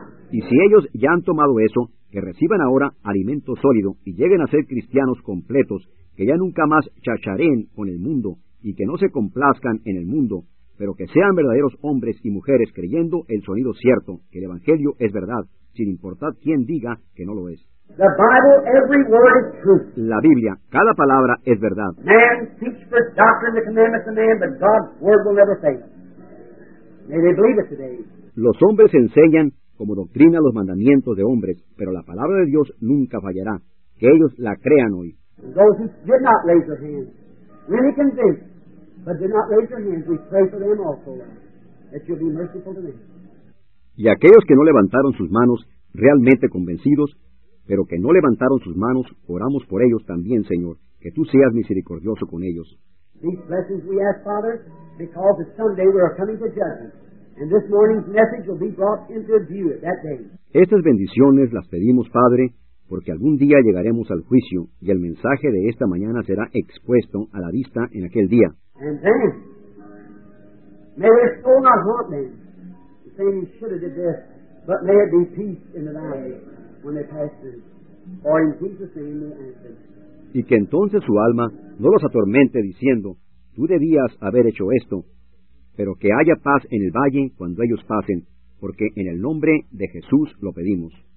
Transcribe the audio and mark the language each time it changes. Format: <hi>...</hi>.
<es>Y si ellos ya han tomado eso, que reciban ahora alimento sólido y lleguen a ser cristianos completos, que ya nunca más chacharen con el mundo, y que no se complazcan en el mundo, pero que sean verdaderos hombres y mujeres creyendo el sonido cierto, que el Evangelio es verdad, sin importar quién diga que no lo es.</es> <en>The Bible, every word is truth.</en> <es>La Biblia, cada palabra es verdad.</es> <en>Man teaches the doctrine, the commandments of man, but God's word will never fail. May they believe it today.</en> <es>Los hombres enseñan como doctrina los mandamientos de hombres, pero la palabra de Dios nunca fallará. Que ellos la crean hoy.</es> <en>Those who did not raise their hands, many convinced, but did not raise their hands, we pray for them also, that you'll be merciful to them.</en> <es>Y aquellos que no levantaron sus manos, realmente convencidos, pero que no levantaron sus manos, oramos por ellos también, Señor, que tú seas misericordioso con ellos.</es> <en>These blessings we ask, Father, because that someday we are coming to judgment, and this morning's message will be brought into view at that day.</en> <es>Estas bendiciones las pedimos, Padre, porque algún día llegaremos al juicio, y el mensaje de esta mañana será expuesto a la vista en aquel día.</es> <en>And then, may their soul not haunt them, saying, you should have did this, but may it be peace in the valley when they pass through, or in Jesus' name they answer.</en> <es>Y que entonces su alma no los atormente diciendo, tú debías haber hecho esto, pero que haya paz en el valle cuando ellos pasen, porque en el nombre de Jesús lo pedimos.</es>